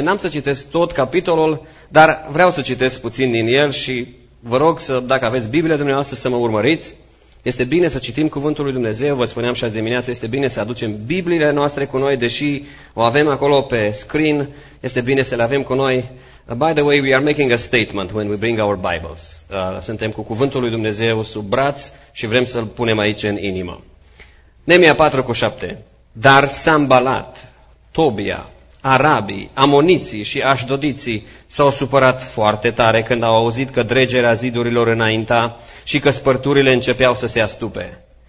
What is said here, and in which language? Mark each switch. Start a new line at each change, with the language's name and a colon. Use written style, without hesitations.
Romanian: N-am să citesc tot capitolul, dar vreau să citesc puțin din el și vă rog să, dacă aveți Biblia dumneavoastră, să mă urmăriți. Este bine să citim Cuvântul lui Dumnezeu, vă spuneam și azi dimineață, este bine să aducem Bibliile noastre cu noi, deși o avem acolo pe screen, este bine să le avem cu noi.
English: By the way, we are making a statement when we bring our Bibles.
Romanian: Suntem cu Cuvântul lui Dumnezeu sub braț și vrem să-L punem aici în inimă. Neemia 4:7. Dar Sambalat, Tobia, arabii, amoniții și așdodiții s-au supărat foarte tare când au auzit că dregerea zidurilor înainta și că spărturile începeau să se astupe.